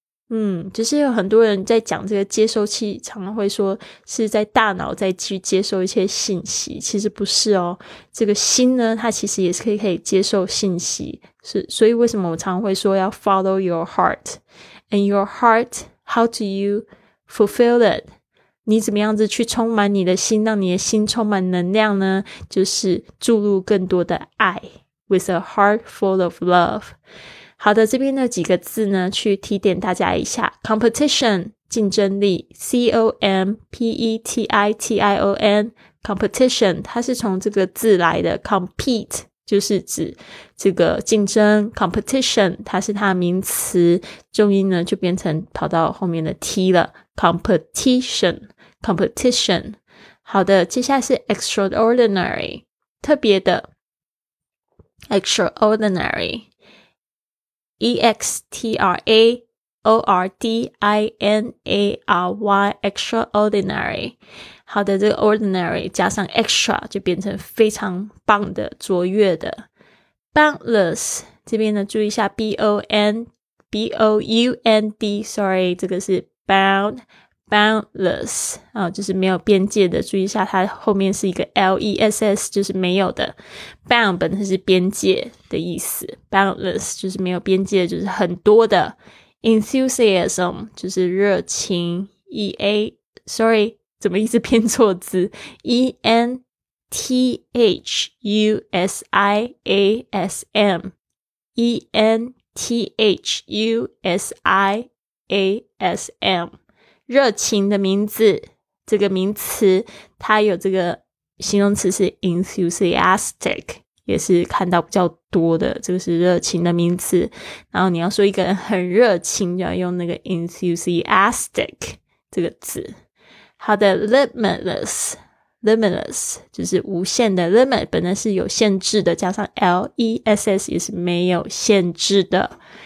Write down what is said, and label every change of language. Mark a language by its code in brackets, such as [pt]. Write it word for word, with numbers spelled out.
[zh] 嗯，就是有很多人在讲这个接收器，常常会说是在大脑在去接收一些信息，其实不是哦。这个心呢，它其实也是可以可以接受信息，是所以为什么我常常会说要 [en] follow your heart and your heart how do you fulfill it？ [zh] 你怎么样子去充满你的心，让你的心充满能量呢？就是注入更多的爱 [en] with a heart full of love。 [zh] 好的，这边的几个字呢去提点大家一下。competition 竞争力 C O M P E T I T I O N competition 它是从这个字来的， compete 就是指这个竞争， competition 它是它的名词，重音呢就变成跑到后面的 T 了， competition competition。好的，接下来是 extraordinary 特别的 extraordinary E X T R A O R D I N A R Y extraordinary。好的，这个 ordinary 加上 extra 就变成非常棒的卓越的。 boundless 这边呢注意一下 B O N B O U N D sorry 这个是 bound boundless、啊、就是没有边界的，注意一下它后面是一个 L E S S 就是没有的。 bound 本身是边界的意思， boundless 就是没有边界，就是很多的。 enthusiasm 就是热情 E A sorry 怎么一直偏错字 E N T H U S I A S M E N T H U S I A S M热情的名字，这个名词它有这个形容词是 enthusiastic， 也是看到比较多的，这个是热情的名词。然后你要说一个人很热情就要用那个 enthusiastic 这个字。好的， limitless limitless 就是无限的， limit 本来是有限制的，加上 L E S S 也是没有限制的。